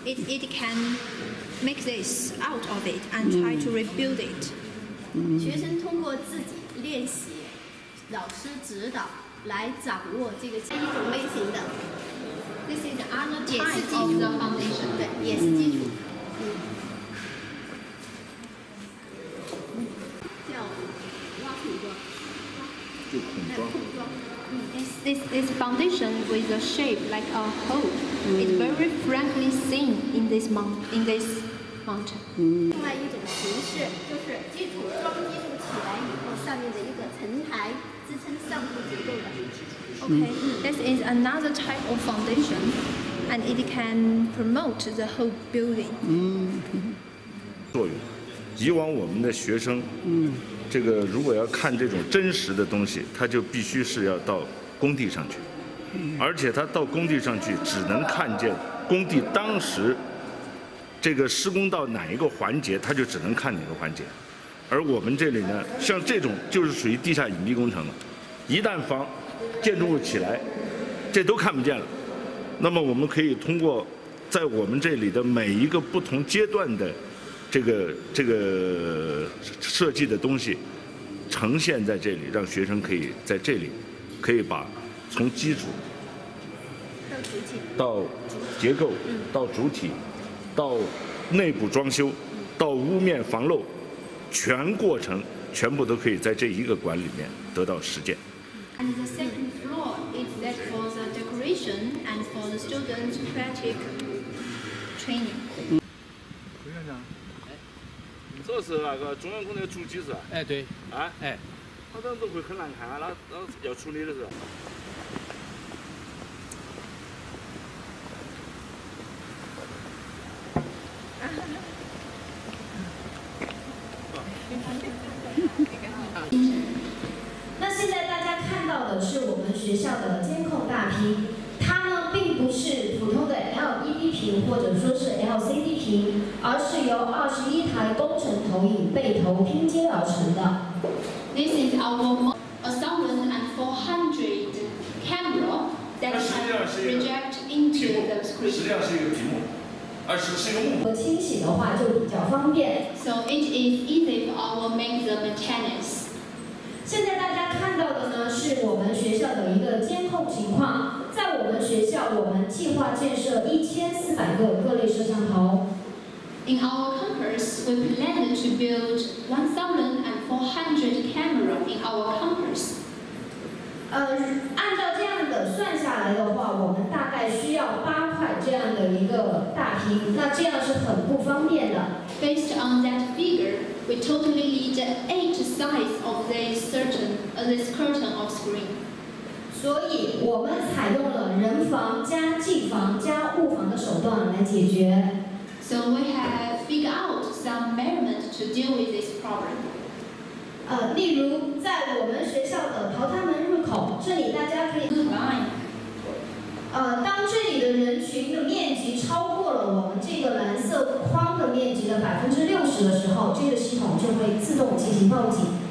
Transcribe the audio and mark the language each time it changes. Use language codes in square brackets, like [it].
[en] It can make this out of it and try to rebuild it. [zh] 学生通过自己练习，老师指导来掌握这个一种类型的。 [en] This is another type of the foundation. [zh] 对，也是基础。 [en] This foundation with a shape like a hole is very frankly seen in this mountain. [zh] 另外一种形式就是基础装筑起来以后，上面的一个层台支撑上部结构的。 [en] This is another type of foundation, and it can promote the whole building. [zh] 作用。以往我们的学生，这个如果要看这种真实的东西，他就必须是要到工地上去，而且他到工地上去只能看见工地当时这个施工到哪一个环节，他就只能看哪个环节。而我们这里呢，像这种就是属于地下隐蔽工程了，一旦房建筑物起来，这都看不见了。那么我们可以通过在我们这里的每一个不同阶段的这个设计的东西呈现在这里，让学生可以在这里可以把从基础到结构到主体到内部装修到屋面防漏全过程全部都可以在这一个馆里面得到实践。 [en] And the second floor is that for the decoration and for the student practice training. [zh] 何院长，这是那个中央空调主机是吧？哎，对。啊，哎，它这样子会很难看啊，那要处理的是。那现在大家看到的是我们学校的监控大屏，它呢并不是普通的 LED 屏或者说是 LCD 屏，而是由21台工程投影背投拼接而成的。 [en] This is our 1400 camera that project into the screen. [zh] 实际上是一个屏幕，而是一个幕。我清洗的话就比较方便。 [en] So it is easy for our make the maintenance. [zh] 现在大家看到的呢是我们学校的一个监控情况。在我们学校，我们计划建设1400个各类摄像头。 [en] In our campus, we plan to build 1400 camera in our campus. [zh] 按照这样的算下来的话，我们大概需要8块这样的一个大屏，那这样是很不方便的。 [en] Based on that figure, we totally need 8 size of this curtain of screen. [zh] 所以我们采用了人防加技防加物防的手段来解决。 [en] So we have figured out some measurement to deal with this problem. [zh] 例如在我们学校的淘汰门入口这里，大家可以当这里的人群的面积超过了我们这个蓝色框的面积的60%的时候，这个系统就会自动进行报警。